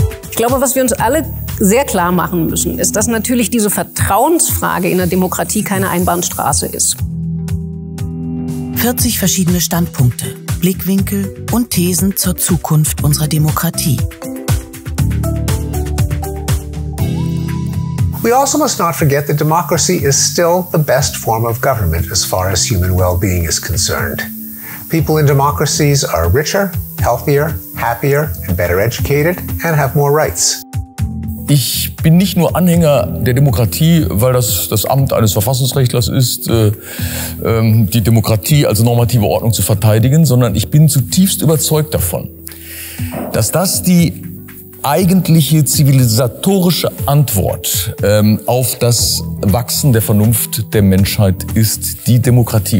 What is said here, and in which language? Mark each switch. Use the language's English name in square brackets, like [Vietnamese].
[German] Ich glaube, was wir uns alle sehr klar machen müssen, ist, dass natürlich diese Vertrauensfrage in der Demokratie keine Einbahnstraße ist. 40 verschiedene Standpunkte, Blickwinkel und Thesen zur Zukunft unserer Demokratie. [English] We also must not forget that democracy is still the best form of government as far as human well-being is concerned. People in democracies are richer, healthier, happier and better educated and have more rights. [German] Ich bin nicht nur Anhänger der Demokratie, weil das das Amt eines Verfassungsrechtlers ist, die Demokratie als normative Ordnung zu verteidigen, sondern ich bin zutiefst überzeugt davon, dass das die eigentliche zivilisatorische Antwort auf das Wachsen der Vernunft der Menschheit ist, die Demokratie.